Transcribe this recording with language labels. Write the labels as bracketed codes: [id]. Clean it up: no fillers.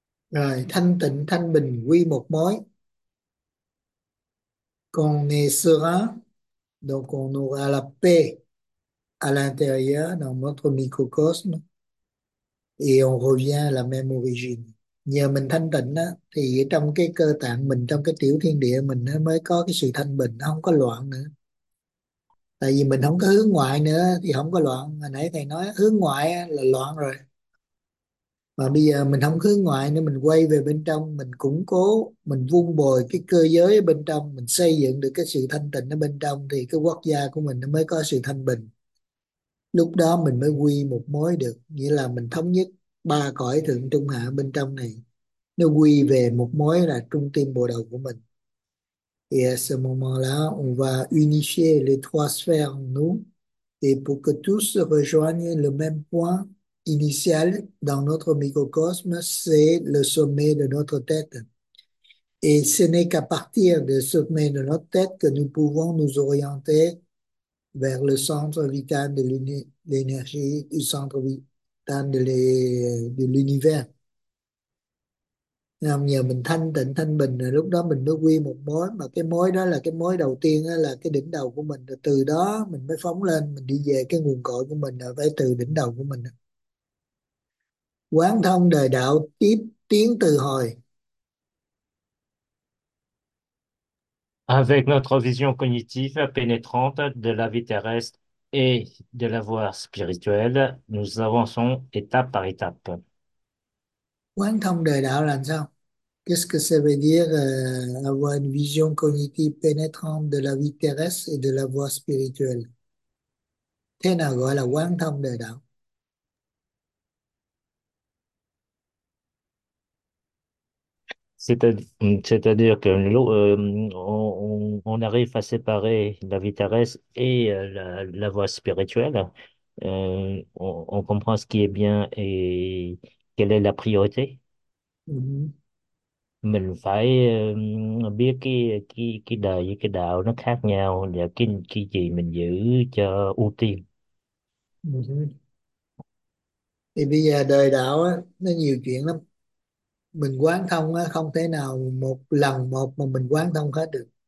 [vi] Rồi, thanh tịnh, thanh bình, quy một mối. Còn nè [fr] sera, donc on aura la paix à l'intérieur, dans notre microcosme, et on revient à la même origine. [vi] Nhờ mình thanh tịnh á, thì trong cái cơ tạng mình, trong cái tiểu thiên địa mình á, mới có cái sự thanh bình, không có loạn nữa. Tại vì mình không có hướng ngoại nữa thì không có loạn. Hồi nãy thầy nói hướng ngoại á, là loạn rồi. Mà bây giờ mình không hướng ngoại nữa, mình quay về bên trong, mình củng cố, mình vun bồi cái cơ giới ở bên trong, mình xây dựng được cái sự thanh tịnh ở bên trong, thì cái quốc gia của mình nó mới có sự thanh bình. Lúc đó mình mới quy một mối được, nghĩa là mình thống nhất ba cõi thượng trung hạ bên trong này, nó quy về một mối là trung tâm bộ đầu của mình. [fr] Et à ce moment-là, on va unifier les trois sphères en nous et pour que tous rejoignent le même point initial dans notre microcosme, c'est le sommet de notre tête. Et ce n'est qu'à partir du sommet de notre tête que nous pouvons nous orienter vers le centre vital de l'énergie, du centre vital de l'univers. [vi] Nhờ mình thanh tịnh thanh bình rồi, lúc đó mình mới quy một mối, mà cái mối đó là cái mối đầu tiên đó, là cái đỉnh đầu của mình, rồi từ đó mình mới phóng lên, mình đi về cái nguồn cội của mình là phải từ đỉnh đầu của mình. Quán thông đời đạo tiếp tiến từ hồi. [fr] Avec notre vision cognitive pénétrante de la vie terrestre et de la voie spirituelle, nous avançons étape par étape. [vi] Quán thông đời đạo là sao? [fr] Qu'est-ce que ça veut dire avoir une vision cognitive pénétrante de la vie terrestre et de la voie spirituelle? [vi] Thế nào gọi là quán thông đời đạo? [fr] C'est-à-dire qu'on arrive à séparer la vie terrestre et la voie spirituelle. On comprend ce qui est bien et quelle est la priorité. [vi] Mình phải biết cái đời với cái đạo nó khác nhau và cái gì mình giữ cho ưu tiên. Thì bây giờ đời đạo á, nó nhiều chuyện lắm. Mình quán thông á, không thể nào một lần một mà mình quán thông hết được.